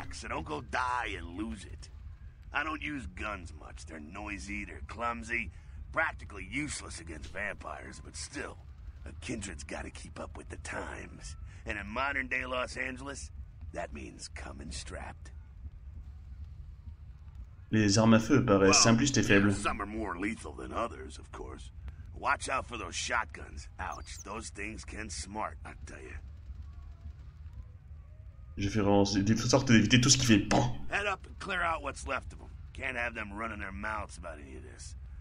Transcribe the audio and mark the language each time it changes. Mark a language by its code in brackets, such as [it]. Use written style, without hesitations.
[en] So don't go die and lose it. I don't use guns much. They're noisy, they're clumsy, practically useless against vampires, but still. A kindred's gotta keep up with the times. And in modern day Los Angeles, that means coming strapped. [fr] Les armes à feu paraissent simplistes et faibles. [en] Some are more lethal than others, of course. Watch out for those shotguns. Ouch, those things can smart, I tell you. [fr] J'ai fait vraiment en sorte d'éviter tout ce qui fait bon. [en] Head up and clear out what's left of them. Can't have them running their mouths about any of this.